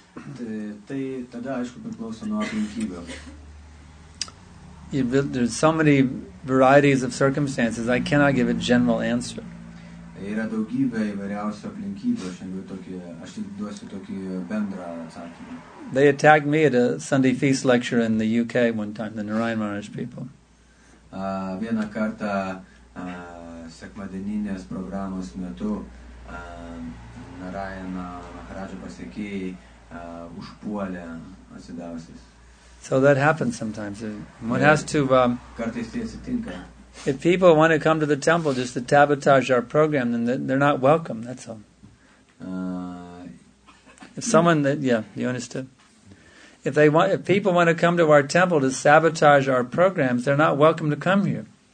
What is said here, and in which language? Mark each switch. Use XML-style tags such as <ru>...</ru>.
<lt>Tai tada aišku priklauso nuo aplinkybių.</lt> <en>There's so many varieties of circumstances, I cannot give a general answer.</en> <lt>Yra daugybė įvairiausių aplinkybių, aš tik duosiu tokį bendrą atsakymą.</lt> <en>They attacked me at a Sunday feast lecture in the UK one time, the Narayan Maharaj people.</en> <lt>Vieną kartą sekmadieninės programos metu Narayan Maharaj pasiekėjai užpuolė atsidavusius.</lt> <en>So that happens sometimes. One has to...</en> <lt>Kartais tai atsitinka.</lt> <en>If people want to come to the temple just to sabotage our program, then they're not welcome, that's all. If someone... Yeah, you understood. If people want to come to our temple to sabotage our programs, they're not welcome to come here.</en>